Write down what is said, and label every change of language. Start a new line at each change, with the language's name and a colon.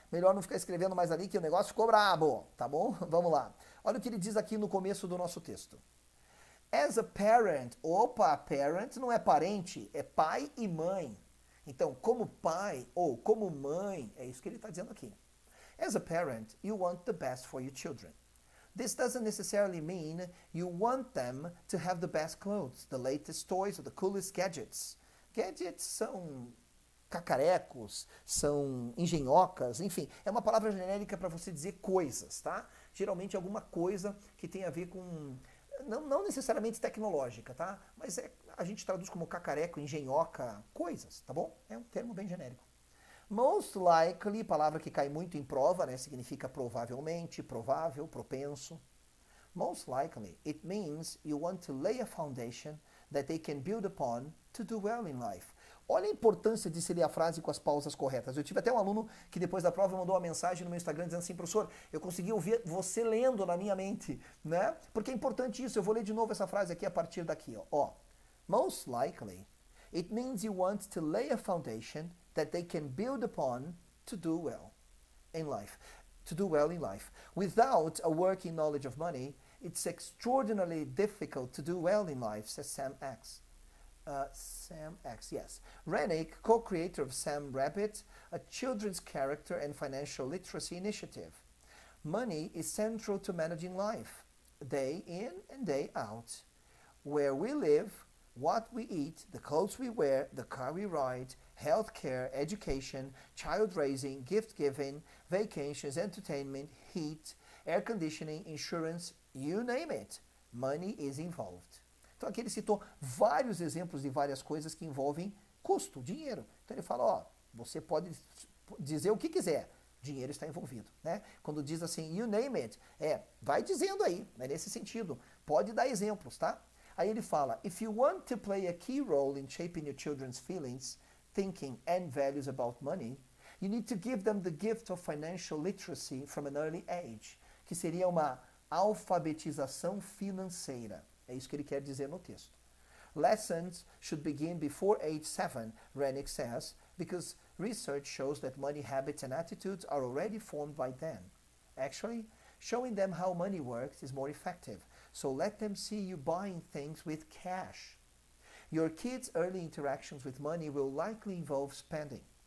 Portuguese: Melhor não ficar escrevendo mais ali, que o negócio ficou brabo, tá bom? Vamos lá. Olha o que ele diz aqui no começo do nosso texto.
English: As a parent,
Portuguese: opa, parent não é parente, é pai e mãe. Então, como pai ou como mãe, é isso que ele está dizendo aqui.
English: As a parent, you want the best for your children. This doesn't necessarily mean you want them to have the best clothes, the latest toys or the coolest gadgets.
Portuguese: Gadgets são cacarecos, são engenhocas, enfim, é uma palavra genérica para você dizer coisas, tá? Geralmente alguma coisa que tem a ver com, não necessariamente tecnológica, tá? Mas é, a gente traduz como cacareco, engenhoca, coisas, tá bom? É um termo bem genérico.
English: Most likely,
Portuguese: palavra que cai muito em prova, né? Significa provavelmente, provável, propenso.
English: Most likely, it means you want to lay a foundation that they can build upon to do well in life.
Portuguese: Olha a importância de se ler a frase com as pausas corretas. Eu tive até um aluno que depois da prova mandou uma mensagem no meu Instagram dizendo assim, professor, eu consegui ouvir você lendo na minha mente, né? Porque é importante isso. Eu vou ler de novo essa frase aqui a partir daqui, ó.
English: Most likely, it means you want to lay a foundation that they can build upon to do well in life. To do well in life. Without a working knowledge of money, it's extraordinarily difficult to do well in life, says Sam X. Sam X, yes. Rennick, co-creator of Sam Rabbit, a children's character and financial literacy initiative. Money is central to managing life, day in and day out. Where we live, what we eat, the clothes we wear, the car we ride, healthcare, education, child raising, gift giving, vacations, entertainment, heat, air conditioning, insurance, you name it. Money is involved.
Portuguese: Então aqui ele citou vários exemplos de várias coisas que envolvem custo, dinheiro. Então ele fala, ó, você pode dizer o que quiser, dinheiro está envolvido, né? Quando diz assim,
English: you name it,
Portuguese: é, vai dizendo aí, é nesse sentido. Pode dar exemplos, tá? Aí ele fala,
English: if you want to play a key role in shaping your children's feelings, thinking and values about money, you need to give them the gift of financial literacy from an early age,
Portuguese: que seria uma alfabetização financeira. É isso que ele quer dizer no texto.
English: Lessons should begin before age 7, Rennick says, because research shows that money habits and attitudes are already formed by then. Actually, showing them how money works is more effective. So let them see you buying things with cash. Your kids' early interactions with money will likely involve spending.